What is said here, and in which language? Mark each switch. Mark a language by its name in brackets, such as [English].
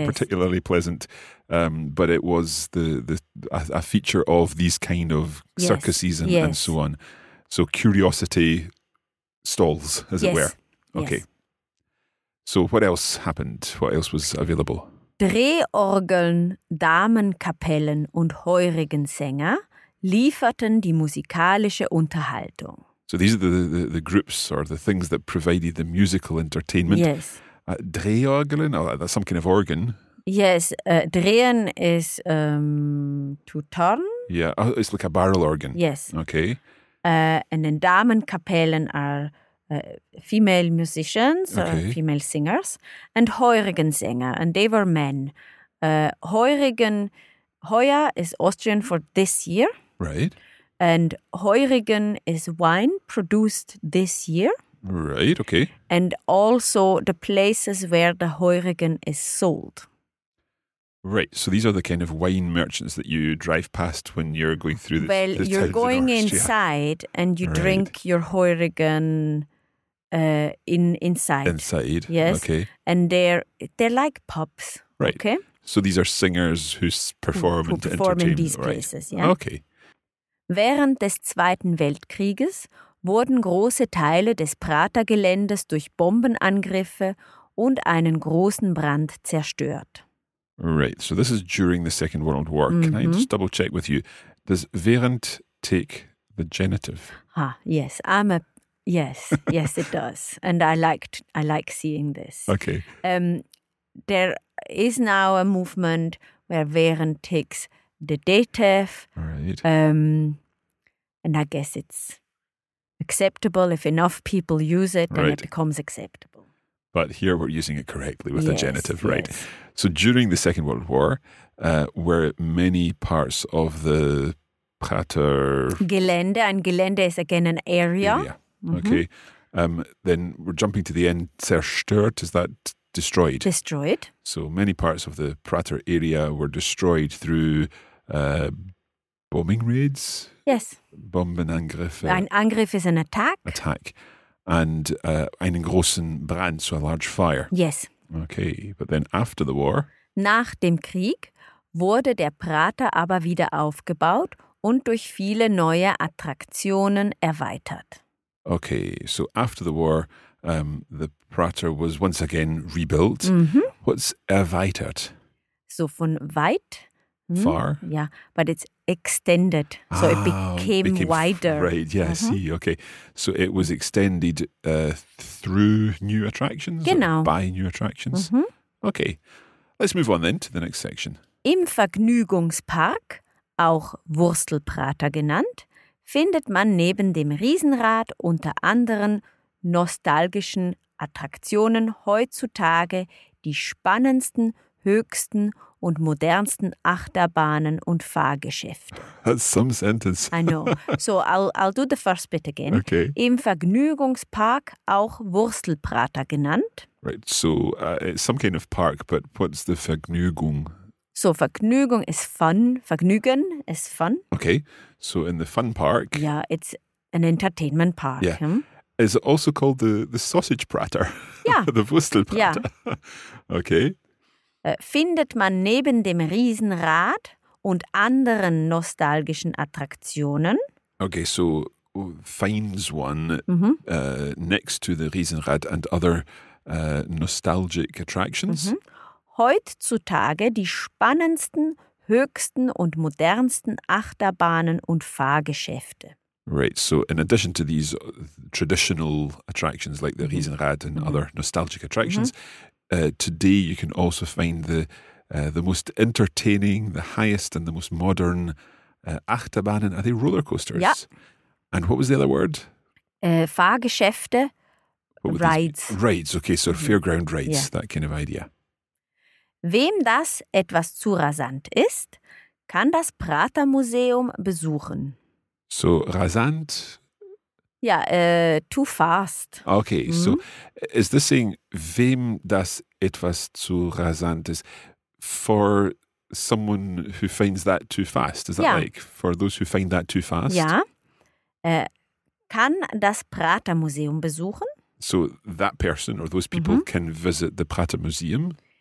[English] yes. particularly pleasant. But it was a feature of these kind of yes. circuses and, yes. and so on. So curiosity stalls, as yes. it were. Okay. Yes. So what else happened? What else was available? [German] Drehorgeln, Damenkapellen und Heurigensänger lieferten die musikalische Unterhaltung. [English] So these are the groups or the things that provided the musical entertainment. Yes. Drehorgeln, oh, that's some kind of organ. Yes, drehen is to turn. Yeah, oh, it's like a barrel organ. Yes. Okay. And then Damenkapellen are female musicians, okay. or female singers, and Heurigensänger, and they were men. Heuer is Austrian for this year. Right. And Heurigen is wine produced this year. Right, okay. And also the places where the Heurigen is sold. Right, so these are the kind of wine merchants that you drive past when you're going through the town. Well, you're going inside and you drink your Heurigen inside. Inside, yes. Okay. And they're like pubs. Right. Okay. So these are singers who perform and entertain. Who perform in these right. places, yeah. Okay. [German] Während des Zweiten Weltkrieges wurden große Teile des Prater-Geländes durch Bombenangriffe und einen großen Brand zerstört. [English] Right, so this is during the Second World War. Mm-hmm. Can I just double check with you? Does während take the genitive? Ah, yes. I'm a yes, yes, it does, and I like seeing this. Okay. There is now a movement where während takes the dative. Right. And I guess it's acceptable if enough people use it, then right. it becomes acceptable. But here we're using it correctly with yes, the genitive, right? So during the Second World War, were many parts of the Prater... Gelände, and Gelände is again an area. Mm-hmm. Okay. Then we're jumping to the end. Zerstört, is that destroyed? Destroyed. So many parts of the Prater area were destroyed through bombing raids? Yes. [German] Bombenangriffe. [English] Ein Angriff is an attack. Attack. And [German] einen großen Brand, [English] so a large fire. Yes. Okay, but then after the war? [German] Nach dem Krieg wurde der Prater aber wieder aufgebaut und durch viele neue Attraktionen erweitert. [English] Okay, so after the war, the Prater was once again rebuilt. Mm-hmm. What's erweitert? [German] So von weit. [English] Far. Yeah, but it's extended. So ah, it became wider. Right, yeah, mm-hmm. I see. Okay. So it was extended through new attractions? [German] Genau. [English] By new attractions? Mm-hmm. Okay. Let's move on then to the next section. [German] Im Vergnügungspark, auch Wurstelprater genannt, findet man neben dem Riesenrad unter anderen nostalgischen Attraktionen heutzutage die spannendsten, höchsten und modernsten Achterbahnen und Fahrgeschäfte. [English] That's some sentence. I know. So I'll do the first bit again. Okay. [German] Im Vergnügungspark, auch Wurstelprater genannt. [English] Right, so it's some kind of park, but what's the Vergnügung? So Vergnügung is fun. Vergnügen is fun. Okay, so in the fun park. Yeah, it's an entertainment park. Yeah. Hmm? Is it also called the Sausage Prater? Yeah. The Wurstelprater. Yeah. Okay. [German] Findet man neben dem Riesenrad und anderen nostalgischen Attraktionen. [English] Okay, so finds one next to the Riesenrad and other nostalgic attractions. Mm-hmm. [German] Heutzutage die spannendsten, höchsten und modernsten Achterbahnen und Fahrgeschäfte. [English] Right, so in addition to these traditional attractions like the Riesenrad and mm-hmm. other nostalgic attractions, mm-hmm. Today you can also find the most entertaining, the highest and the most modern Achterbahnen. Are they roller coasters? Yeah. And what was the other word? Fahrgeschäfte, rides. Rides, okay, so fairground rides, yeah. That kind of idea. [German] Wem das etwas zu rasant ist, kann das Pratermuseum besuchen. [English] So, rasant? Yeah, too fast. Okay, mm-hmm. So is this saying, [German] wem das etwas zu rasant ist, [English] for someone who finds that too fast? Is that yeah. like, for those who find that too fast? Yeah. [German] Kann das Pratermuseum besuchen? [English] So that person or those people mm-hmm. can visit the Pratermuseum.